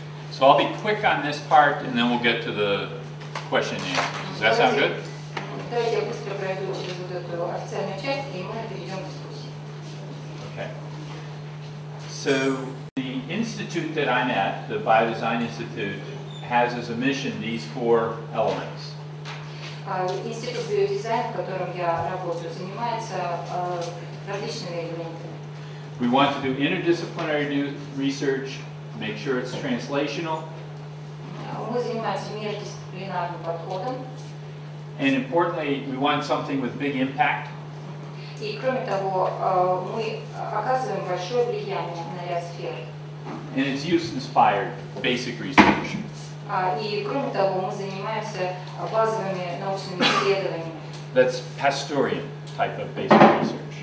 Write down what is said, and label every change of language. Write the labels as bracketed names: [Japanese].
[English] So I'll be quick on this part and then we'll get to the question and answer. Does that sound good? [Russian] Давайте я быстро пройду через вот эту официальную часть и мы перейдем к дискуссии. [English] Okay. So the institute that I'm at, the Biodesign Institute, has as a mission these four elements. [Russian] Институт биодизайн, в котором я работаю, занимается различными элементами. [English] We want to do interdisciplinary research, make sure it's translational. [Russian] Мы занимаемся междисциплинарным подходом. [English] And importantly, we want something with big impact. [Russian] И кроме того, мы оказываем большое влияние на ряд сфер. [English] And it's use-inspired basic research. [Russian] И кроме того, мы занимаемся базовыми научными исследованиями. [English] That's Pastorian type of basic research.